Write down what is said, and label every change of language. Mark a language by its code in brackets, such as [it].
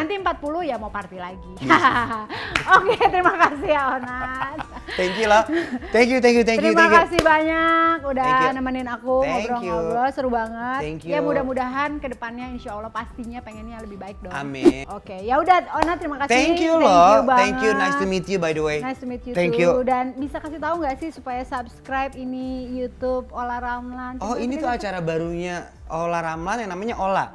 [id] Nanti 40 ya mau party lagi. Yes. Oke, okay, terima kasih ya Onat. [en] Thank you. [id] Terima kasih banyak udah nemenin aku ngobrol-ngobrol, seru banget. [en] Thank you. [id] Ya mudah-mudahan kedepannya insya Allah pastinya pengennya lebih baik dong. Amin. Oke, okay. Yaudah Onat terima kasih. [en] Thank you, nice to meet you by the way. Nice to meet you thank too. You. [id] Dan bisa kasih tahu gak sih supaya subscribe ini YouTube Ola Ramlan. Oh ini tuh acara barunya Ola Ramlan yang namanya Ola.